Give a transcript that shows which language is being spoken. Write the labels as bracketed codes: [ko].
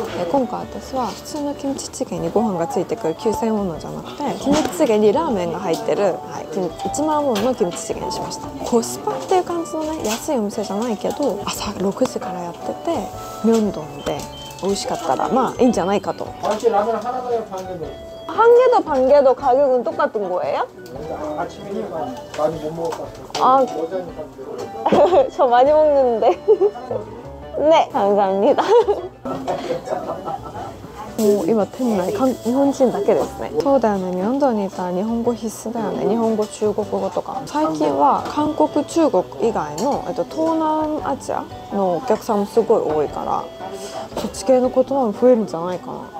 [ja] 今回私は普通のキムチチゲにご飯がついてくる9000ウォンのじゃなくて、キムチチゲにラーメンが入ってる、はい、1万ウォンのキムチチゲにしました。コスパっていう感じのね、安いお店じゃないけど、朝6時からやってて、ミョンドンで美味しかったらまあいいんじゃないかと。 [ko] 半개도반개도가격은똑같은거예요 아침에는많이못먹었어요아오전에갔는데 저많이먹는데 네감사합니다 [ja] もう今店内日本人だけですね。そうだよね、日本人にいたら日本語必須だよね。日本語、中国語とか。最近は韓国、中国以外の東南アジアのお客さんもすごい多いから、そっち系の言葉も増えるんじゃないかな。